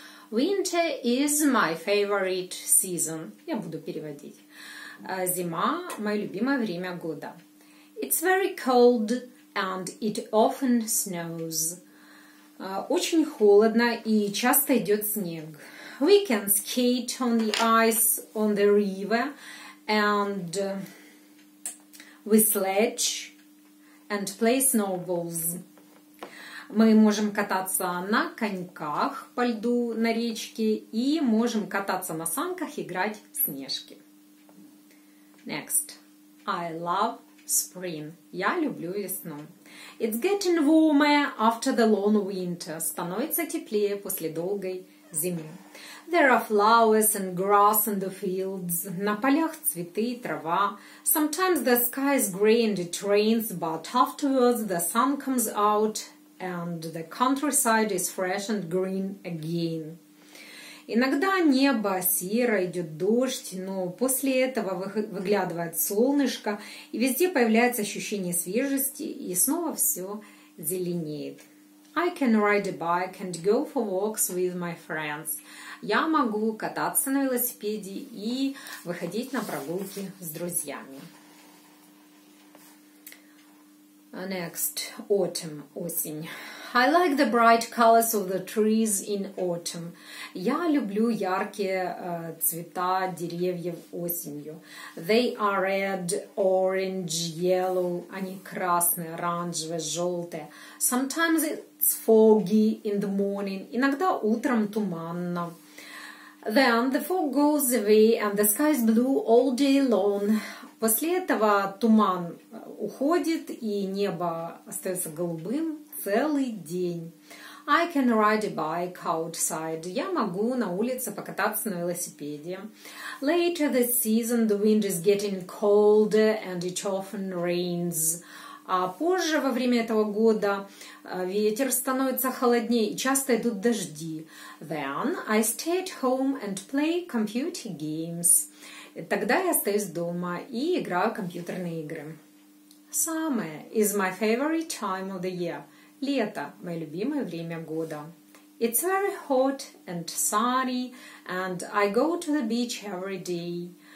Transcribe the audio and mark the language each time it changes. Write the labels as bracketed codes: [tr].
[en] Winter is my favorite season. [ru] Я буду переводить. Зима – мое любимое время года. [en] It's very cold and it often snows. [ru] Очень холодно и часто идет снег. [en] We can skate on the ice on the river and we sledge and play snowballs. [ru] Мы можем кататься на коньках по льду на речке и можем кататься на санках, играть в снежки. [en] Next. I love spring. [ru] Я люблю весну. [en] It's getting warmer after the long winter. [ru] Становится теплее после долгой зимы. [en] There are flowers and grass in the fields. [ru] На полях цветы и трава. [en] Sometimes the sky is gray and it rains, but afterwards the sun comes out and the countryside is fresh and green again. [ru] Иногда небо серо, идет дождь, но после этого выглядывает солнышко, и везде появляется ощущение свежести, и снова все зеленеет. [en] I can ride a bike and go for walks with my friends. [ru] Я могу кататься на велосипеде и выходить на прогулки с друзьями. [en] Next, autumn, осень. I like the bright colors of the trees in autumn. [ru] Я люблю яркие цвета деревьев осенью. [en] They are red, orange, yellow. [ru] Они красные, оранжевые, желтые. [en] Sometimes it's foggy in the morning. [ru] Иногда утром туманно. [en] Then the fog goes away and the sky is blue all day long. [ru] После этого туман уходит, и небо остается голубым целый день. [en] I can ride a bike outside. [ru] Я могу на улице покататься на велосипеде. [en] Later this season the wind is getting colder and it often rains. [ru] А позже, во время этого года, ветер становится холоднее и часто идут дожди. [en] Then I stay at home and play computer games. [ru] Тогда я остаюсь дома и играю в компьютерные игры. [en] Summer is my favorite time of the year. [ru] Лето – мое любимое время года. [en] It's very hot and sunny, and I go to the beach every day.